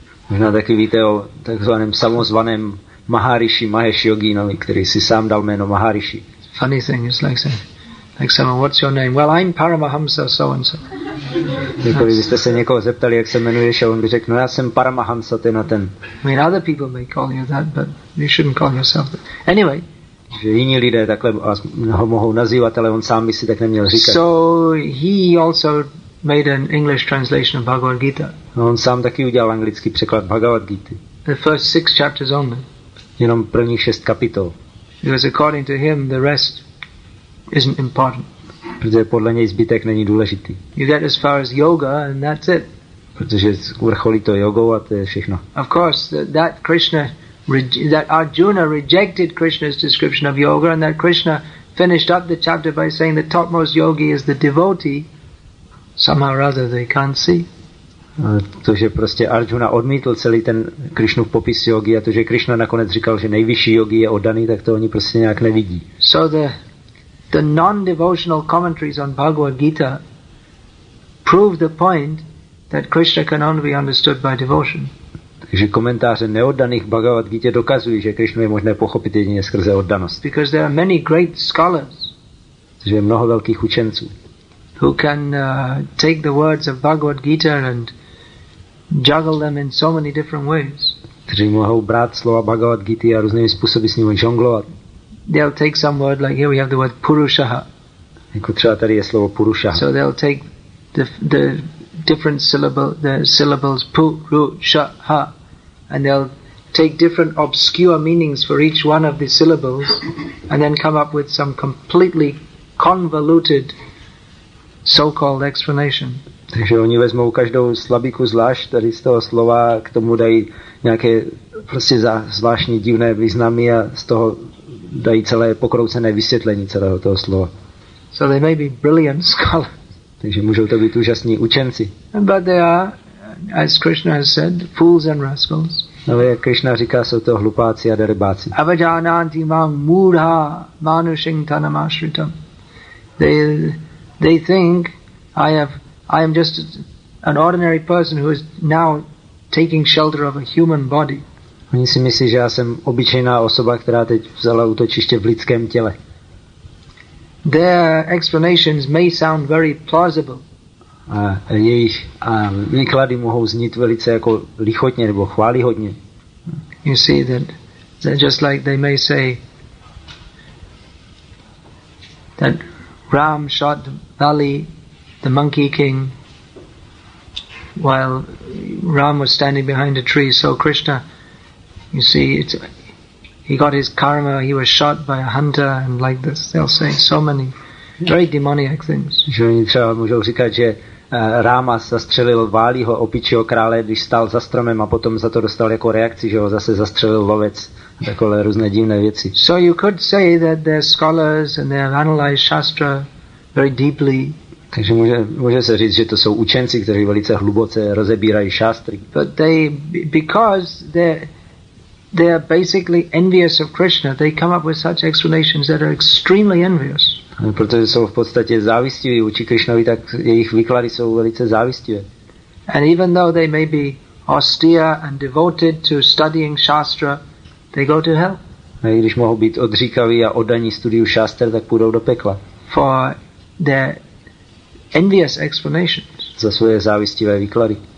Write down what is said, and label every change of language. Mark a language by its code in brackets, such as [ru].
[cs] Možná taky víte o takzvaném samozvaném Maharishi, Mahesh Yoginovi, který si sám dal jméno Maharishi. [en] funny thing. It's like saying, like someone, what's your name? Well, I'm Paramahamsa so and so. [cs] Kdyby jste se někoho zeptali, jak se jmenuješ, a on by řekl, no já jsem Paramahamsa, ten a ten. [en] I mean, other people may call you that, but you shouldn't call yourself that. Anyway. [cs] Že jiní lidé takhle ho mohou nazývat, ale on sám by si tak neměl říkat. [en] So he also made an English translation of Bhagavad Gita. [cs] No, on sám taky udělal anglický překlad Bhagavad Gita. [en] The first six chapters only. [cs] Jenom prvních šest kapitol. [en] Because according to him, the rest isn't important. [cs] Protože podle něj zbytek není důležitý. [en] You get as far as yoga and that's it. [cs] Protože vrcholí to jogou a to je všechno. [en] Of course, that Krishna, that Arjuna rejected Krishna's description of yoga, and that Krishna finished up the chapter by saying the topmost yogi is the devotee. Somehow or other, they can't see. [cs] To, že prostě Arjuna odmítl celý ten Krišnův popis jogi a to, že Krišna nakonec říkal, že nejvyšší jogi je oddaný, tak to oni prostě nějak nevidí. [en] So the non-devotional commentaries on Bhagavad Gita prove the point that Krishna can only be understood by devotion. [cs] Takže komentáře neoddaných Bhagavad Gita dokazují, že Krišnu je možné pochopit jedině skrze oddanost. [en] Because there are many great scholars. [cs] Takže je mnoho velkých učenců. [en] Who can take the words of Bhagavad Gita and juggle them in so many different ways? [cs] Kteří mohou brát slova Bhagavad Gita a různými způsoby s nimi žonglovat. [en] They'll take some word, like here we have the word Purushaha. [cs] Jako třeba tady je slovo Purushaha. [en] So they'll take the different syllable, the syllables Purushaha, and they'll take different obscure meanings for each one of the syllables, and then come up with some completely convoluted so-called explanation. [cs] Takže oni vezmou každou slabiku zvlášť, tady z toho slova k tomu dají nějaké prostě zvláštní divné významy a z toho dají celé pokroucené vysvětlení celého toho slova. [en] So they may be brilliant scholars. [cs] Takže můžou to být úžasní učenci. [en] But they are, as Krishna has said, fools and rascals. [cs] Ale jak Krishna říká, jsou to hlupáci a derbáci. [sa] Avajananti mam mudha manushing tanamashritam. [en] They think I am just an ordinary person who is now taking shelter of a human body. [cs] Oni si myslí, že já jsem obyčejná osoba, která teď vzala útočiště v lidském těle. [en] Their explanations may sound very plausible. [cs] A jejich výklady mohou znít velice jako lichotně nebo chválihodně. [en] You see that they're just like they may say that Ram shot Bali, the monkey king, while Ram was standing behind a tree. So Krishna, you see, he got his karma, he was shot by a hunter, and like this, they'll say so many very demoniac things. [cs] Že oni třeba můžou říkat, že Rama zastřelil Váliho, opičího krále, když stál za stromem a potom za to dostal jako reakci, že ho zase zastřelil lovec. Takové různé divné věci. [en] So you could say that they're scholars and they have analyzed Shastra very deeply. [cs] Takže může se říct, že to jsou učenci, kteří velice hluboce rozebírají šástry. [en] But they, because they are basically envious of Krishna, they come up with such explanations that are extremely envious. [cs] Protože jsou v podstatě závistiví vůči Krišnovi, tak jejich výklady jsou velice závistivé. [en] And even though they may be austere and devoted to studying Shastra, they go to hell. [cs] A i když mohou být odříkaví a oddaní studiu šástr, tak půjdou do pekla. [en] For their envious explanations. [cs] Za svoje závistivé výklady.